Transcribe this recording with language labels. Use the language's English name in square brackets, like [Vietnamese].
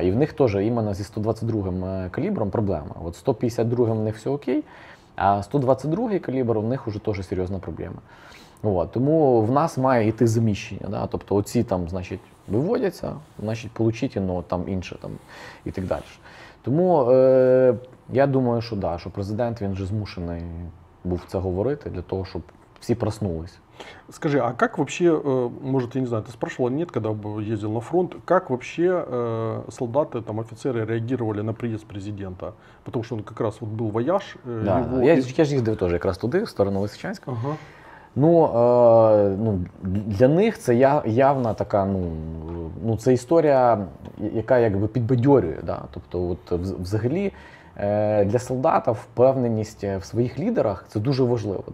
[Ukrainian] І в них теж іменно зі 122-м калібром проблема. От 152-м в них все окей, а 122-й калібр у них вже теж серйозна проблема. От. Тому в нас має йти заміщення. Да. Тобто оці там, значить, виводяться, значить, получіть, ну там інше, там, і так далі. Тому я думаю, що да, що президент, він же змушений був це говорити для того, щоб всі проснулись. [Russian] Скажи, а як вообще, может, я не знаю, ти спрашивала, нет, когда бы ездил на фронт, как вообще солдаты, там офицеры реагировали на приезд президента? Потому что он как раз вот был вояж. [Ukrainian] Да, я же їздив тоже, [Russian] как раз [Ukrainian] туди, в сторону Лисичанська. Ага. Ну, ну, для них це явна така, ну, ну, це історія, яка якби підбадьорює. Да? Тобто, от, взагалі, для солдата впевненість в своїх лідерах це дуже важливо.